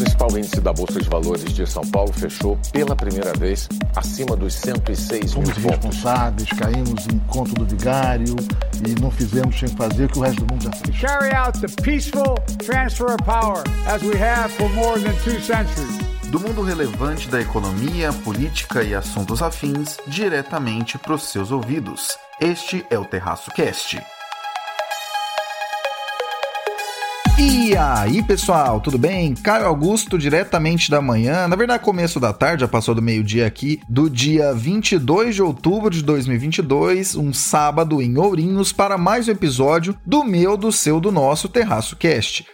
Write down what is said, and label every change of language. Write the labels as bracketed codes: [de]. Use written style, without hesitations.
[pt] O índice da Bolsa de Valores de São Paulo fechou pela primeira vez acima dos 106 mil pontos. Fomos responsáveis, caímos em conto do vigário e não fizemos sem fazer o que o resto do mundo já fez. [en] Carry out the peaceful transfer of power as we have for more than two centuries. [pt] Do mundo relevante da economia, política e assuntos afins, diretamente para os seus ouvidos. Este é o Terraço Cast. E aí, pessoal, tudo bem? Caio Augusto, diretamente da manhã, na verdade, começo da tarde, já passou do meio-dia aqui, do dia 22 de outubro de 2022, um sábado em Ourinhos, para mais um episódio do meu, do seu, do nosso Terraço Cast.